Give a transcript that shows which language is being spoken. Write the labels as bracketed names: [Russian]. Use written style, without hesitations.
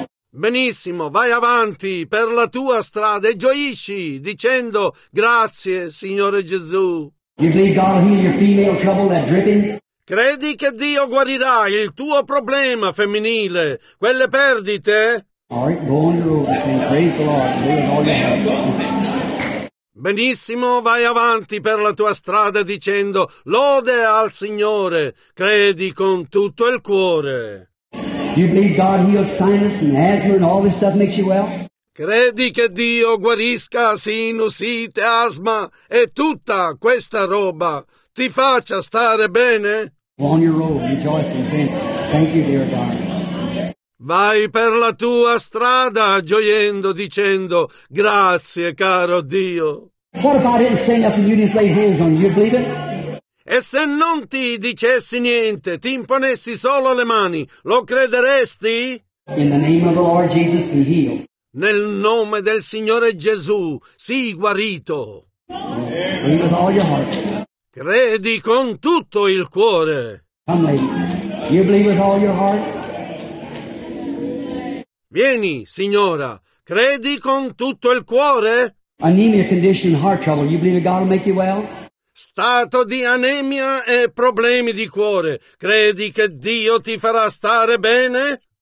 [Italian] Benissimo, vai avanti per la tua strada e gioisci dicendo grazie, Signore Gesù. [English] You believe God will heal your female trouble, that dripping? [Italian] Credi che Dio guarirà il tuo problema femminile, quelle perdite? [English] All right, go on your road and say, praise the Lord, with all your heart. [Italian] Benissimo, vai avanti per la tua strada dicendo lode al Signore, credi con tutto il cuore. [English] You believe God heals sinus and asthma and all this stuff makes you well? [Italian] Credi che Dio guarisca sinusite, asma e tutta questa roba ti faccia stare bene? [English] On your road, rejoice and sing. Thank you, dear God. [Italian] Vai per la tua strada gioiendo, dicendo grazie, caro Dio. [English] What if I didn't say nothing? You just lay hands on you. You believe it? [Italian] E se non ti dicessi niente, ti imponessi solo le mani, lo crederesti? [English] In the name of the Lord Jesus, be healed. [Italian] Nel nome del Signore Gesù, sii guarito. [English] Yeah. With all your heart. [Italian] Credi con tutto il cuore. [English] Come, lady. You believe with all your heart? [Italian] Vieni, signora, credi con tutto il cuore? [English] Anemia condition and heart trouble, you believe God will make you well? [Italian] Stato di anemia e problemi di cuore. Credi che Dio ti farà stare bene?